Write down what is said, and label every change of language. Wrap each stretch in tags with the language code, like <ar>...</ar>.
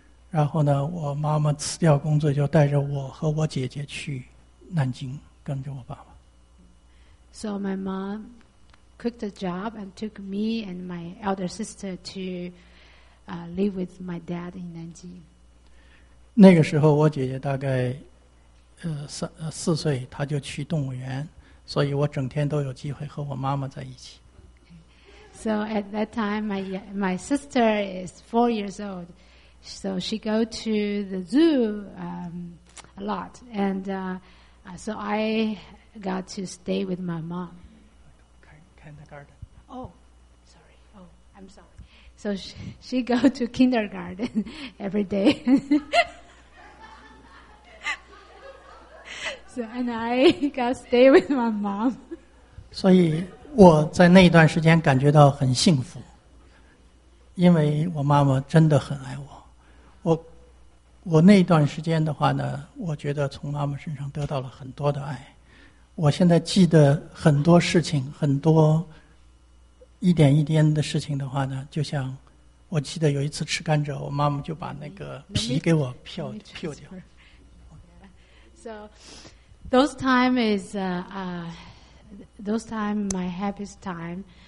<zh>然后呢，我妈妈辞掉工作，就带着我和我姐姐去。南京跟着我爸爸。</zh> <en>So my mom quit the job and took me and my elder sister to live with my dad in 南京。</en> <zh>那个时候我姐姐大概4岁，她就去动物园，所以我整天都有机会和我妈妈在一起。</zh> <en>So at that time, my sister is 4 years old. So she go to the zoo a lot. And so I got to stay with my mom. Kindergarten. Oh, sorry. Oh, I'm sorry. So she go to kindergarten every day. So, and I got to stay with my mom.</en> <zh>所以我在那一段时间感觉到很幸福，因为我妈妈真的很爱我。我那一段时间的话呢，我觉得从妈妈身上得到了很多的爱。我现在记得很多事情，很多一点一点的事情的话呢，就像我记得有一次吃甘蔗，我妈妈就把那个皮给我peel掉。</zh> <en>So those time is those time my happiest time.</en>